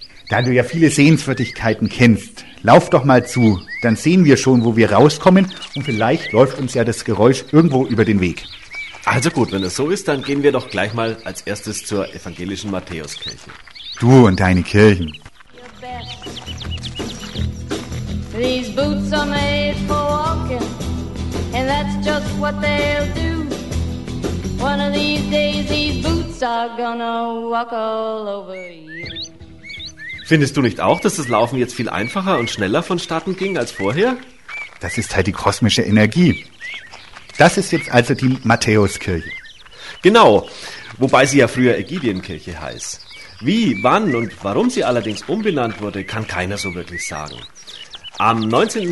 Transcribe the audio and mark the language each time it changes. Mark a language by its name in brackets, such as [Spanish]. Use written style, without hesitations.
[German] Da du ja viele Sehenswürdigkeiten kennst, lauf doch mal zu, dann sehen wir schon, wo wir rauskommen und vielleicht läuft uns ja das Geräusch irgendwo über den Weg. Also gut, wenn es so ist, dann gehen wir doch gleich mal als erstes zur evangelischen Matthäuskirche. Du und deine Kirchen. [English] These boots are made for walking, and that's just what they'll do. One of these days these boots are gonna walk all over you. [German] Findest du nicht auch, dass das Laufen jetzt viel einfacher und schneller vonstatten ging als vorher? Das ist halt die kosmische Energie. Das ist jetzt also die Matthäuskirche. Genau, wobei sie ja früher Ägidienkirche heißt. Wie, wann und warum sie allerdings umbenannt wurde, kann keiner so wirklich sagen. Am 19.